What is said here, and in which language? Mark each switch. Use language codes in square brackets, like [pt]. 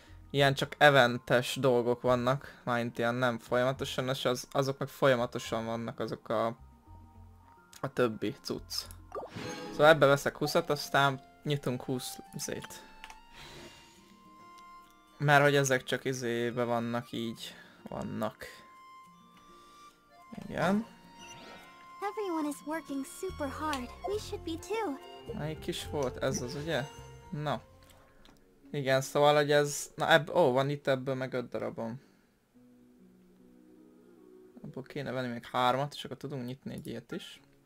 [hu] ilyen csak eventes dolgok vannak, mind ilyen nem folyamatosan, és azok meg folyamatosan vannak, azok a többi cucc. Szóval ebbe veszek 20-at, aztán nyitunk 20 zét. Mert hogy ezek csak izébe vannak, így vannak. Igen. [en] Everyone is working super hard. We should be too. [hu] Melyik kis volt ez az, ugye? Na. Igen, szóval, hogy ez... na ebb... ó, van itt ebből meg 5 darabom. Abból kéne venni még 3-at, és akkor tudunk nyitni egy ilyet is.